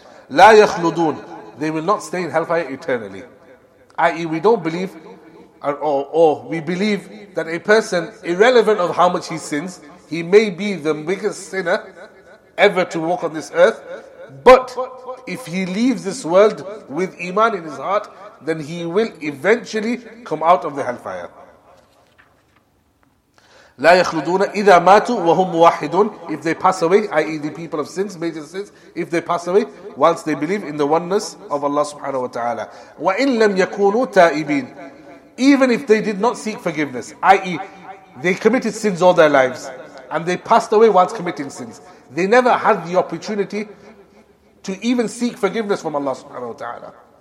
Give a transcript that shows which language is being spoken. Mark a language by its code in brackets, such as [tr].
[en] La yakhludun, they will not stay in hellfire eternally. I.e., we don't believe, or we believe that a person, irrelevant of how much he sins, he may be the biggest sinner ever to walk on this earth, but if he leaves this world with iman in his heart, then he will eventually come out of the hellfire. [ar] لا يخلدون إذا ماتوا وهم موحدون. [en] If they pass away, i.e. the people of sins, major sins, if they pass away whilst they believe in the oneness of Allah subhanahu wa ta'ala. [ar] وإن لم يكونوا تائبين, [en] even if they did not seek forgiveness, i.e. they committed sins all their lives and they passed away whilst committing sins, they never had the opportunity to even seek forgiveness from Allah subhanahu wa ta'ala.